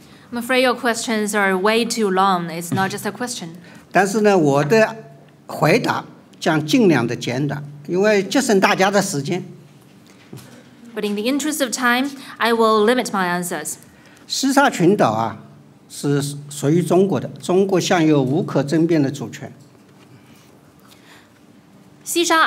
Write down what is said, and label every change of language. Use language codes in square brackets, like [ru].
[en] I'm afraid your questions are way too long. It's not just a question. [zh] 但是呢，我的回答将尽量的简短，因为节省大家的时间。 [en] But in the interest of time, I will limit my answers. [zh] 西沙群岛啊，是属于中国的，中国享有无可争辩的主权。西沙